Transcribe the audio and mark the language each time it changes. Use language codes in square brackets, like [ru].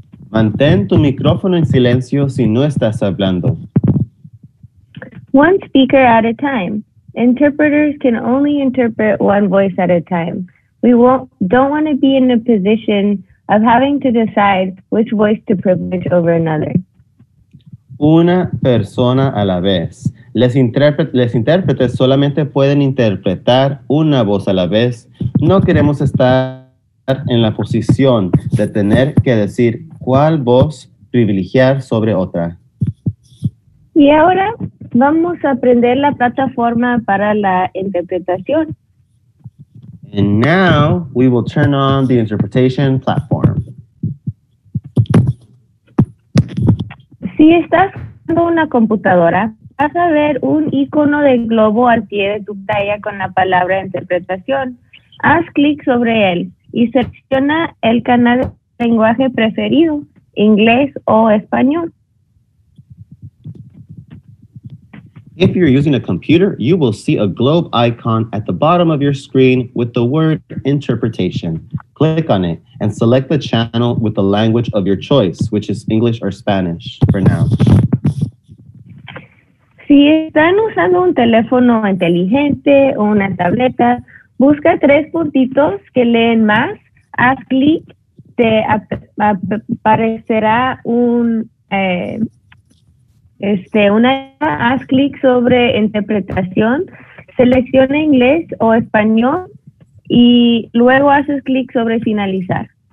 [es] Mantén tu micrófono en silencio si no estás hablando. [en] One speaker at a time. Interpreters can only interpret one voice at a time. We don't want to be in a position of having to decide which voice to privilege over another. [es] Una persona a la vez. Los intérpretes solamente pueden interpretar una voz a la vez. No queremos estar en la posición de tener que decir cuál voz privilegiar sobre otra. Y ahora vamos a aprender la plataforma para la interpretación. [en] And now we will turn on the interpretation platform. [es] Si estás usando una computadora, vas a ver un icono de globo al pie de tu pantalla con la palabra interpretación. Haz clic sobre él y selecciona el canal de lenguaje preferido, inglés o español. [en] If you're using a computer, you will see a globe icon at the bottom of your screen with the word interpretation. Click on it and select the channel with the language of your choice, which is English or Spanish for now. [es] Si están usando un teléfono inteligente o una tableta, busca tres puntitos que leen más. Haz clic, te aparecerá un... haz clic sobre interpretación, selecciona inglés o español y luego haces clic sobre finalizar.